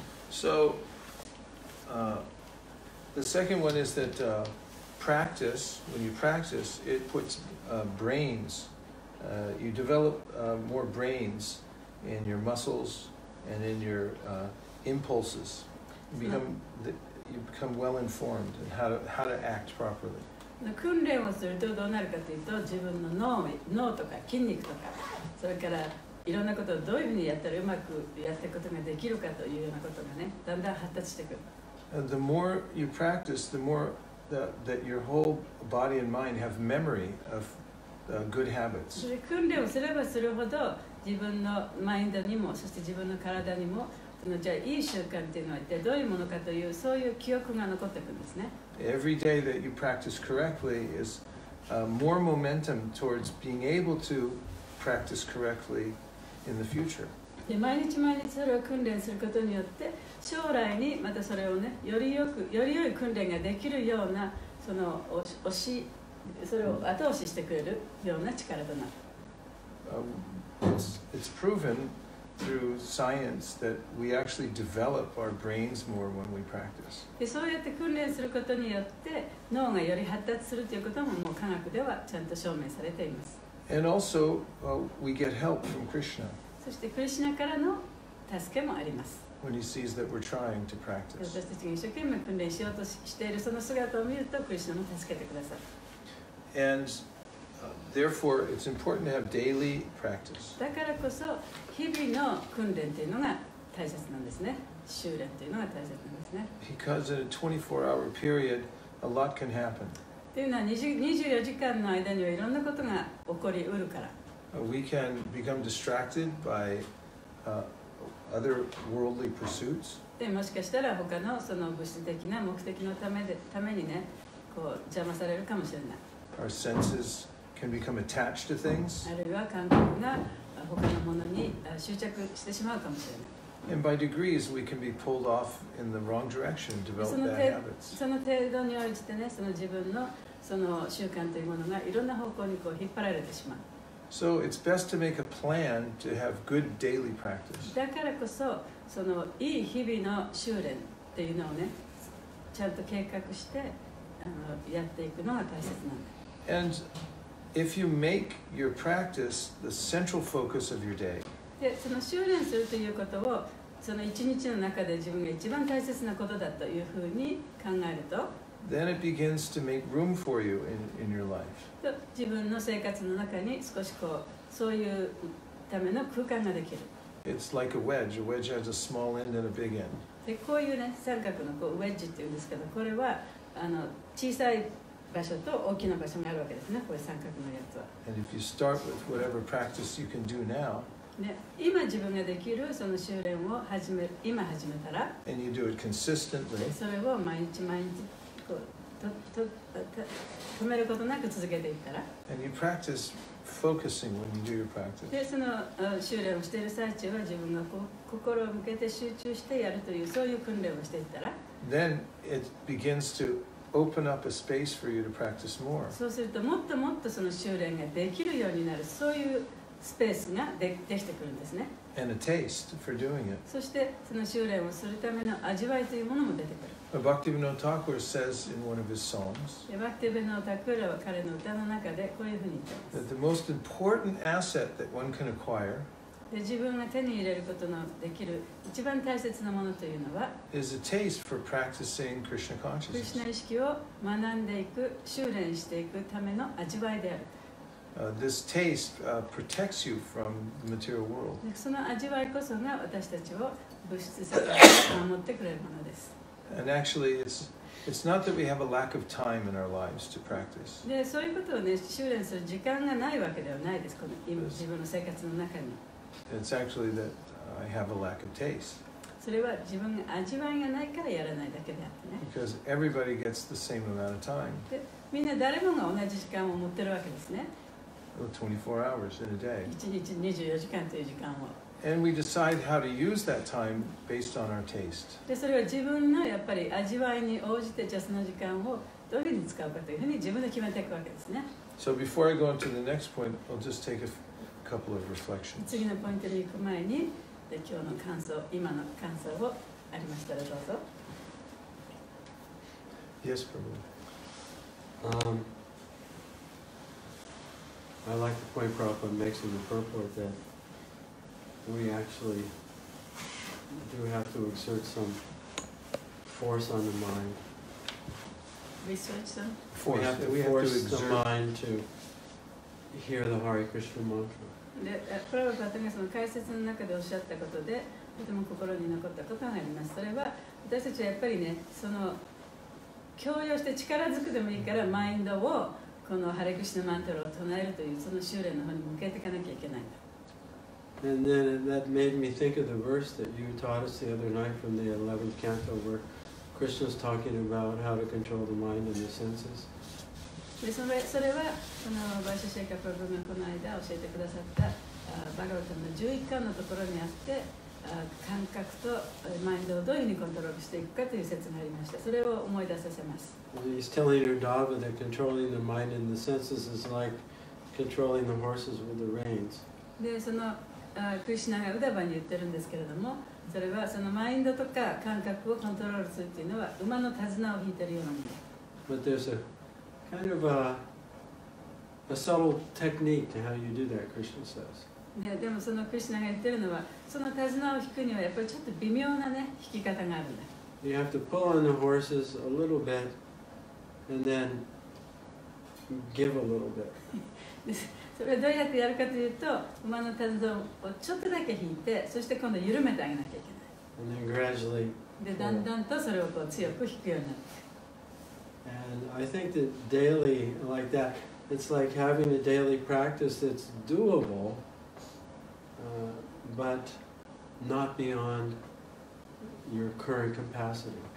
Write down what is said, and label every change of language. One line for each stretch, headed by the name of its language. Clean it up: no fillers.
English: So, the second one is that practice, when you practice, it puts brains, you develop more brains in your muscles and in your impulses. You become well informed in how to act properly.
Japanese: 訓練をするとどうなるかというと、自分の脳とか筋肉とか、それからいろんなことをどういうふうにやったらうまくやっていくことができるかというようなことがね、だんだん発達してくる。
English: The more you practice, the moreThat your whole body and mind have memory of good habits.
Japanese: それ訓練をすればするほど自分のマインドにもそして自分の体にもそのじゃあいい習慣っていうのは一体どういうものかというそういう記憶が残っていくんですね。
English: Every day that you practice correctly is more momentum towards being able to practice correctly in the future.
Japanese: で毎日毎日それを訓練することによって将来にまたそれをねより良くより良い訓練ができるようなその押しそれを後押ししてくれるような力となる。
English: It's proven through science that we actually develop our brains more when we practice.
Japanese: でそうやって訓練することによって脳がより発達するということももう科学ではちゃんと証明されています。
English: And also, we get help from Krishna.
Japanese: そしてクリシナからの助けもあります。
English: When he sees that we're trying to practice.
Japanese: 私たちが一生懸命訓練しようとしているその姿を見ると、クリシナも助けてくださる。
English: And, therefore, it's important to have daily practice.
Japanese: だからこそ、日々の訓練というのが大切なんですね。修練というのが大切なんですね。
English: Because in a 24-hour period, a lot can happen.
Japanese: というのは24時間の間にはいろんなことが起こりうるから。
English: We can become distracted by other worldly pursuits.
Japanese: でもしかしたら他のその物質的な目的のためにね、こう邪魔されるかもしれない。
English: Our senses can become attached to things.
Japanese: あるいは感覚が他のものに執着してしまうかもしれない。
English: And by degrees, we can be pulled off in the wrong direction, develop bad habits.
Japanese: その程度に応じてね、その自分のその習慣というものがいろんな方向にこう引っ張られてしまう。
English: So it's best to make a plan to have good daily practice.
Japanese: だからこそ、そのいい日々の修練っていうのをね、ちゃんと計画してやっていくのが大切なんだ。
English: And if you make your practice the central focus of your day.
Japanese: で、その修練するということを、その一日の中で自分が一番大切なことだというふうに考えると、
English: Then it begins to make room for you in your life.
Japanese: 自分の生活の中に少しこうそういうための空間ができる。
English: It's like a wedge. A wedge has a small end and a big end.
Japanese: でこういうね三角のこうウェッジっていうんですけど、これは小さい場所と大きな場所があるわけですね。こういう三角のやつは。
English: And if you start with whatever practice you can do now.
Japanese: ね今自分ができるその修練を始めたら。
English: And you do it consistently.
Japanese: それを毎日毎日。止めることなく続けていったら
English: And you practice focusing when you do your practice.
Japanese: でその修練をしている最中は自分がこう心を向けて集中してやるというそういう訓練をしていったら
English: Then it begins to open up a space for you to practice more.
Japanese: そうするともっともっとその修練ができるようになるそういうスペースが できてくるんですね
English: And a taste for doing it.
Japanese: そしてその修練をするための味わいというものも出てくる
English: Bhaktivinoda Thakura says in one of his songs that the most important asset that one can acquire
Japanese: で、自分が手に入れることのできる一番大切なものというのは、
English: is a taste for practicing Krishna consciousness.
Japanese: クリシナ意識を学んでいく、修練していくための味わいである。
English: This taste protects you from the material world.
Japanese: その味わいこそが私たちを物質世界から守ってくれるものです。
English: And actually, it's not that we have a lack of time in our lives to practice.
Japanese: で、そういうことをね、修練する時間がないわけではないです。この今自分の生活の中に。
English: It's actually that I have a lack of taste.
Japanese: それは自分が味わいがないからやらないだけであってね。
English: Because everybody gets the same amount of time.
Japanese: で、みんな誰もが同じ時間を持ってるわけですね。
English: 24 hours in a day.
Japanese: 1日24時間という時間を。
English: And we decide how to use that time based on our taste.
Japanese: で、それは自分のやっぱり味わいに応じて、じゃあその時間をどういうふうに使うかというふうに自分で決めていくわけですね。
English: So before I go on to the next point, I'll just take a couple of reflections.
Japanese: 次のポイントに行く前に、で、今日の感想、今の感想をありましたらどうぞ。
English: Yes, Prabhu. I like the point Prabhupada makes in the purport that we actually do have to exert some force on the mind. Research them? Force. We have to exert the mind to hear the Hare Krishna mantra.
Japanese: Prabhupada がその解説の中でおっしゃったことで、とても心に残ったことがあります。それは、私たちはやっぱりね、その強要して力づくでもいいから、マインドをこのハレクシナマントラを唱えるというその修練の方に向けていかなきゃいけないんだ。
English: And then that made me think of the verse that you taught us the other night from the 11th canto where Krishna's talking about how to control the mind and the senses.
Japanese: で、それはそのバイシェシェイカプラブがこの間教えてくださったバガヴァッタの11巻のところにあって、感覚とマインドをどういうふうにコントロールしていくかという説がありました。それを思い出させます。
English: He's telling Uddhava that controlling the mind and the senses is like controlling the horses with the reins.
Japanese: で、そのクリシナがウダバに言ってるんですけれども、それはそのマインドとか感覚をコントロールするっていうのは馬の手綱を引いてるようなもの。
English: But there's a kind of a subtle technique to how you do that, Krishna says.
Japanese: で、でもそのクリシナが言ってるのは、その手綱を引くにはやっぱりちょっと微妙なね、引き方があるんだ。
English: You have to pull on the horses a little bit. And then give a little bit.
Japanese: それをどうやってやるかというと、馬の手綱をちょっとだけ引いて、そして今度緩めてあげなきゃいけない。
English: And then gradually.
Japanese: で、だんだんとそれをこう強く引くようになって。
English: And I think that daily like that, it's like having a daily practice that's doable, but not beyond your current capacity.